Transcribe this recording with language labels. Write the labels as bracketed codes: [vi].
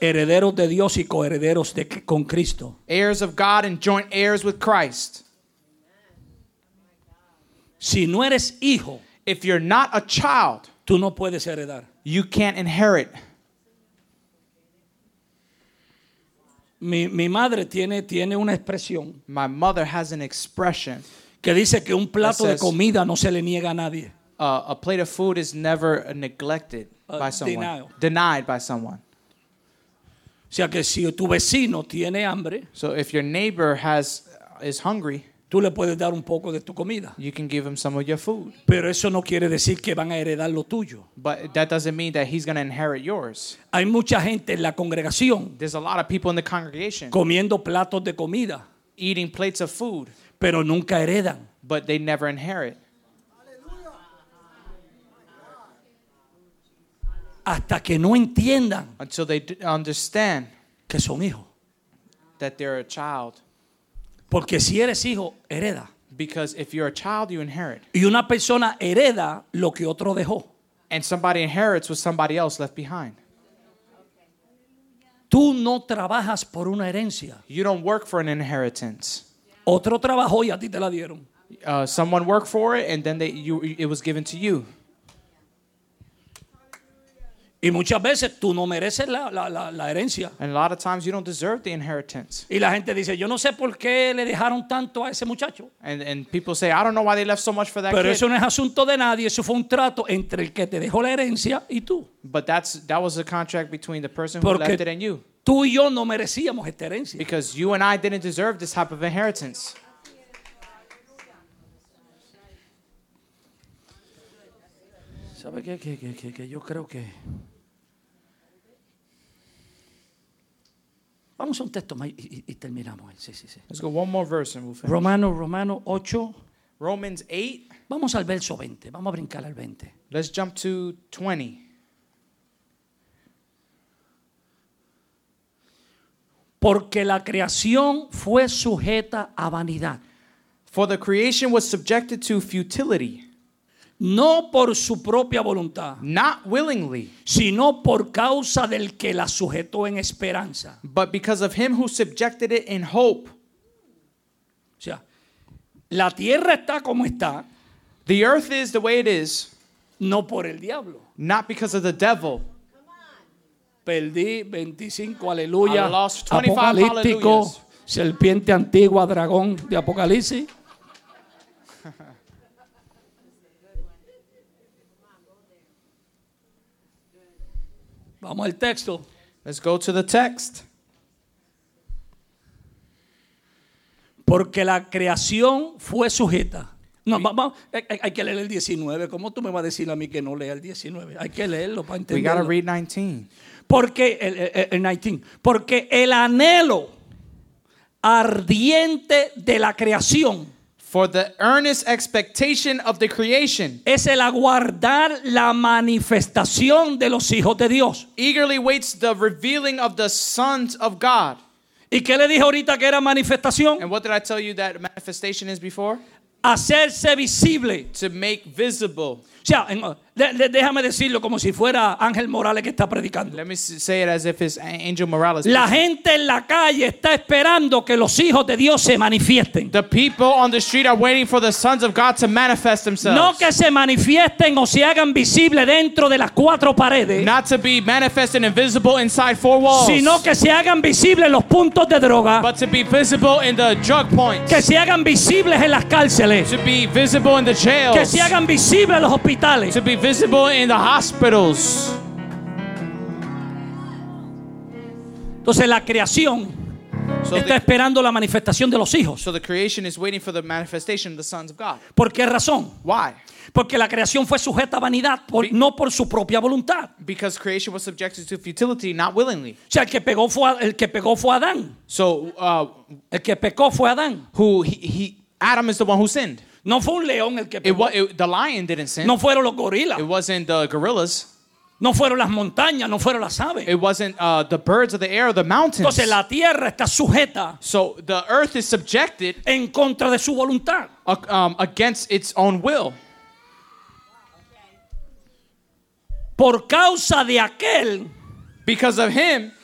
[es] Herederos de Dios y coherederos de con Cristo. [en] Heirs of God and joint heirs with Christ. [es] Si no eres hijo, [en] if you're not a child, [es] tú no puedes heredar. [en] You can't inherit. [es] Mi madre tiene una expresión. [en] My mother has an expression. [es] Que dice que un plato says, de comida no se le niega a nadie. [en] A plate of food is never neglected by someone. Denied by someone. [es] O sea que si tu vecino tiene hambre. [en] So if your neighbor is hungry. [es] Tú le puedes dar un poco de tu comida. [en] You can give him some of your food. [es] Pero eso no quiere decir que van a heredar lo tuyo. [en] But that doesn't mean that he's going to inherit yours. [es] Hay mucha gente en la congregación. [en] There's a lot of people in the congregation. [es] Comiendo platos de comida. [en] Eating plates of food. [es] Pero nunca heredan. [en] But they never inherit. [es] Hasta que no entiendan. [en] Until they understand. [es] Que son hijos. [en] That they're a child. [es] Porque si eres hijo, hereda. [en] Because if you're a child, you inherit. [es] Y una persona hereda lo que otro dejó. [en] And somebody inherits what somebody else left behind. [es] Tú no trabajas por una herencia. [en] You don't work for an inheritance. [es] Otro trabajó y a ti te la dieron. [en] Someone worked for it and then it was given to you. [es] Y muchas veces tú no mereces la herencia. [en] And a lot of times you don't deserve the inheritance. [es] Y la gente dice, yo no sé por qué le dejaron tanto a ese muchacho. [en] And people say, I don't know why they left so much for that [es] Pero [en] kid. [es] Pero eso no es asunto de nadie, eso fue un trato entre el que te dejó la herencia y tú. [en] But that was a contract between the person who [es] Porque [en] left it and you. [es] Tú y yo no merecíamos esta herencia. [en] Because you and I didn't deserve this type of inheritance. [es] ¿Sabe qué? Yo creo que... Vamos a un texto más y terminamos. Sí. [en] Let's go one more verse and we'll finish. [es] Romanos 8. [en] Romans 8. [es] Vamos al verso 20. Vamos a brincar al 20. [en] Let's jump to 20. [es] Porque la creación fue sujeta a vanidad. [en] For the creation was subjected to futility. [es] No por su propia voluntad. [en] Not willingly. [es] Sino por causa del que la sujetó en esperanza. [en] But because of him who subjected it in hope. [es] O sea, la tierra está como está. [en] The earth is the way it is. [es] No por el diablo. [en] Not because of the devil. [es] Perdí 25, aleluya. [en] I lost 25, [es] Apocalíptico, [en] hallelujahs. [es] Serpiente antigua, dragón de Apocalipsis. Vamos al texto. [en] Let's go to the text. [es] Porque la creación fue sujeta. No, vamos. Hay que leer el 19. ¿Cómo tú me vas a decir a mí que no lea el 19? Hay que leerlo para entenderlo. [en] We gotta read 19. [es] Porque el 19. Porque el anhelo ardiente de la creación. [en] For the earnest expectation of the creation. [es] Es el aguardar la manifestación de los hijos de Dios. [en] Eagerly waits the revealing of the sons of God. [es] ¿Y qué le dije ahorita que era manifestación? [en] And what did I tell you that manifestation is before? [es] hacerse visible. [en] To make visible. [es] O sea, déjame decirlo como si fuera Ángel Morales que está predicando. [en] Let me say it as if it's Angel Morales. [es] La gente en la calle está esperando que los hijos de Dios se manifiesten. [en] The people on the street are waiting for the sons of God to manifest themselves. [es] No que se manifiesten o se hagan visible dentro de las cuatro paredes. [en] Not to be manifest and invisible inside four walls. [es] Sino que se hagan visibles los puntos de droga. [en] But to be visible in the drug points. [es] Que se hagan visibles en las cárceles. [en] To be visible in the jails. [es] Que se hagan visibles los hospitales. [en] To be visible in the hospitals. [es] Entonces la creación está esperando la manifestación de los hijos. [en] So the creation is waiting for the manifestation of the sons of God. [es] ¿Por qué razón? [en] Why? [es] Porque la creación fue sujeta a vanidad, no por su propia voluntad. [en] Because creation was subjected to futility, not willingly. [es] O sea, el que pegó fue Adán. [en] So [es] el que pecó fue Adán. [en] Adam is the one who sinned. [es] No fue un león el que pegó. [en] The lion didn't sin. [es] No fueron los gorilas. [en] It wasn't the gorillas. [es] No fueron las montañas, no fueron las aves. [en] It wasn't the birds of the air or the mountains. [es] Entonces la tierra está sujeta. [en] So the earth is subjected. [es] En contra de su voluntad. [en] Against its own will. [es] Por causa de aquel. [en] Because of him.